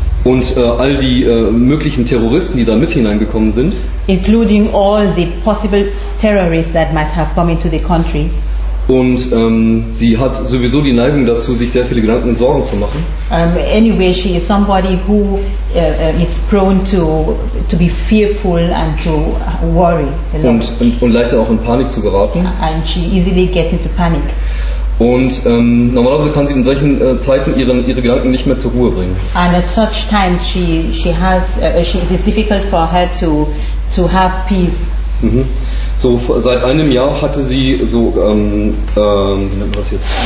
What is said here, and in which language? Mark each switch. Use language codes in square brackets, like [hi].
[de] Und all die möglichen Terroristen, die da mit hineingekommen sind. [en] Including all the possible terrorists that might have come into the country. [de] Und sie hat sowieso die Neigung dazu, sich sehr viele Gedanken und Sorgen zu machen. [en] Anyway, she is somebody who is prone to be fearful and to worry. [de] Und leichter auch in Panik zu geraten. [en] And she easily gets into panic. [de] Und normalerweise kann sie in solchen Zeiten ihre Gedanken nicht mehr zur Ruhe bringen. [en] And at such times it is difficult for her to have peace. Mhm. [de] So seit einem Jahr hatte sie so wie nennt man das jetzt?